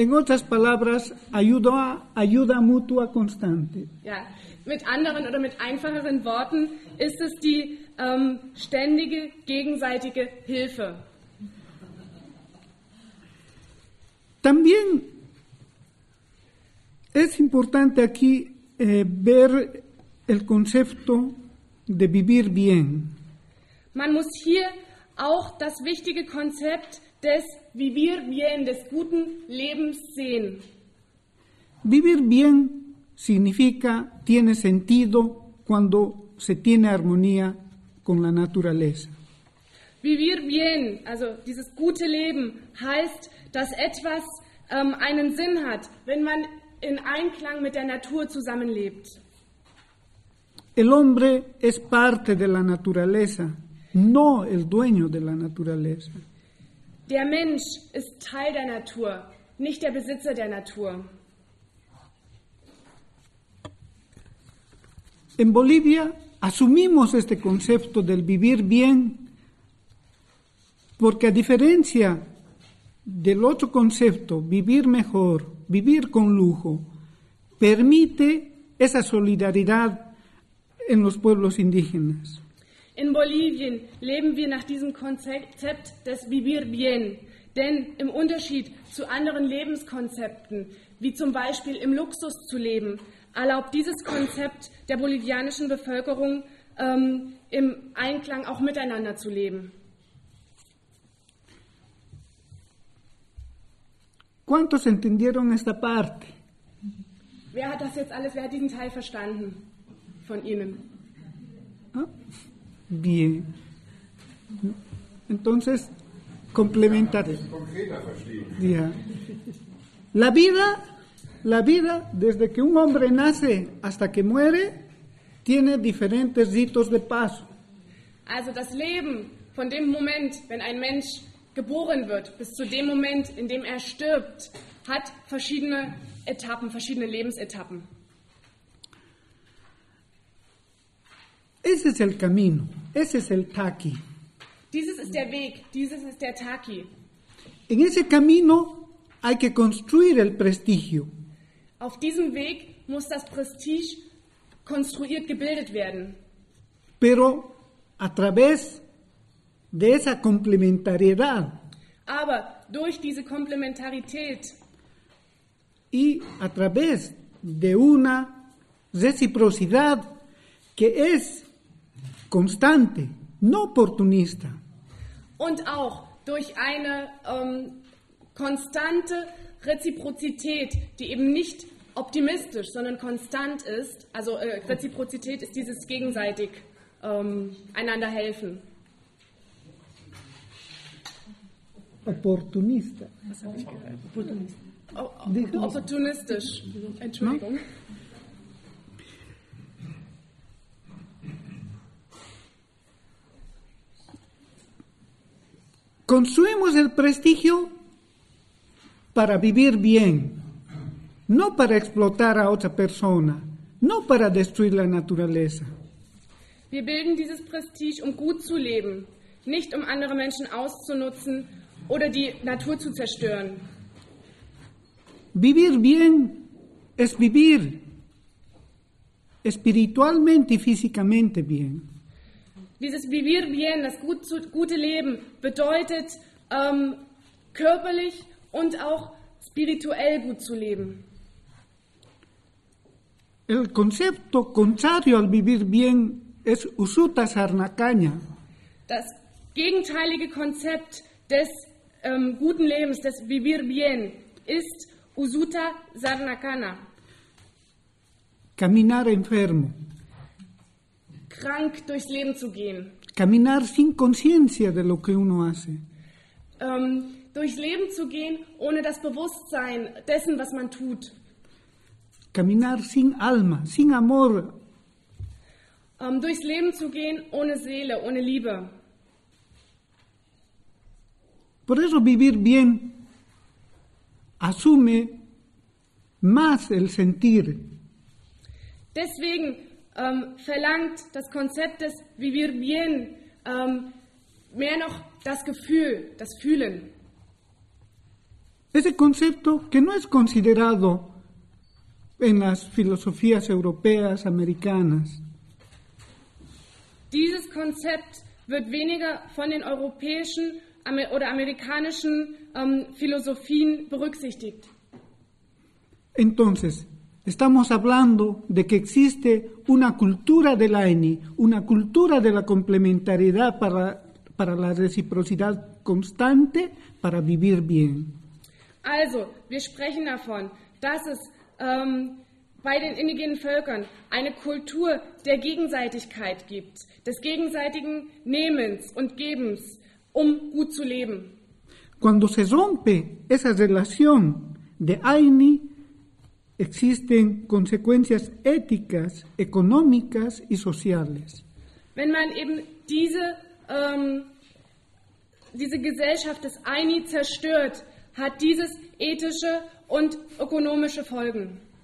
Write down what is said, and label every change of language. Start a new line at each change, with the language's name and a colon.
Spanish: En otras palabras, ayuda mutua constante.
German: Ja, mit anderen oder mit einfacheren Worten ist es die ständige gegenseitige Hilfe.
Spanish: También es importante aquí ver el concepto de vivir bien.
German: Man muss hier auch das wichtige Konzept des vivir bien, des guten Lebens sehen.
Spanish: Vivir bien significa, tiene sentido cuando se tiene armonía con la naturaleza.
German: Vivir bien, also dieses gute Leben, heißt, dass etwas einen Sinn hat, wenn man in Einklang mit der Natur zusammenlebt.
Spanish: El hombre es parte de la naturaleza, no el dueño de la naturaleza.
German: Der Mensch ist Teil der Natur, nicht der Besitzer der Natur.
Spanish: En Bolivia asumimos este concepto del vivir bien, porque a diferencia del otro concepto, vivir mejor, vivir con lujo, permite esa solidaridad en los pueblos indígenas.
German: In Bolivien leben wir nach diesem Konzept des Vivir Bien, denn im Unterschied zu anderen Lebenskonzepten, wie zum Beispiel im Luxus zu leben, erlaubt dieses Konzept der bolivianischen Bevölkerung im Einklang auch miteinander zu leben.
Spanish: ¿Cuántos entendieron esta parte?
German: Wer hat das jetzt alles, wer hat diesen Teil verstanden von Ihnen?
Spanish: Bien. Entonces, complementaré.
German: Ja.
Spanish: La vida, desde que un hombre nace hasta que muere, tiene diferentes ritos de paso.
German: Also das Leben, von dem Moment, wenn ein Mensch geboren wird, bis zu dem Moment, in dem stirbt, hat verschiedene Etappen, verschiedene Lebensetappen.
Spanish: Ese es el camino, ese es el taqui.
German: Dieses ist der Weg, dieses ist der taqui.
Spanish: En ese camino hay que construir el prestigio.
German: Auf diesem Weg muss das Prestige konstruiert, gebildet werden.
Spanish: Pero a través de esa complementariedad.
German: Aber durch diese Komplementarität.
Spanish: Y a través de una reciprocidad que es constante, no oportunista.
German: Und auch durch eine konstante Reziprozität, die eben nicht optimistisch, sondern konstant ist. Also Reziprozität ist dieses gegenseitig einander helfen.
Spanish: Opportunista.
German: Opportunistisch. Entschuldigung.
Spanish: Construimos el prestigio para vivir bien, no para explotar a otra persona, no para destruir la naturaleza.
German: Wir bilden dieses Prestige, gut zu leben, nicht andere Menschen auszunutzen oder die Natur zu zerstören.
Spanish: Vivir bien es vivir espiritualmente y físicamente bien.
German: Dieses Vivir bien, das gute Leben, bedeutet, körperlich und auch spirituell gut zu leben.
Spanish: El concepto contrario al vivir bien es usuta sarnacaña.
German: Das gegenteilige Konzept des guten Lebens, des Vivir bien, ist usuta sarnacaña.
Spanish: Caminar enfermo.
German: Krank durchs Leben zu gehen.
Spanish: Caminar sin conciencia de lo que uno hace.
German: Durchs Leben zu gehen, ohne das Bewusstsein dessen, was man tut.
Spanish: Caminar sin alma, sin amor.
German: Durchs Leben zu gehen, ohne Seele, ohne Liebe.
Spanish: Por eso vivir bien asume más el sentir.
German: Deswegen verlangt das Konzept des Vivir Bien mehr noch das Gefühl, das Fühlen.
Spanish: Ese concepto que no es considerado en las filosofías europeas, americanas.
German: Dieses Konzept wird weniger von den europäischen oder amerikanischen Philosophien berücksichtigt.
Spanish: Entonces, estamos hablando de que existe una cultura de la ENI, una cultura de la complementariedad para la reciprocidad constante, para vivir bien.
German: Also, wir sprechen davon, dass es bei den indigenen Völkern eine Kultur der Gegenseitigkeit gibt, des gegenseitigen Nehmens und Gebens, um gut zu leben.
Spanish: Cuando se rompe esa relación de Aini, existen consecuencias éticas, económicas y sociales.
German: Wenn man eben diese Gesellschaft des Aini zerstört, hat dieses ethische und ökonomische Folgen.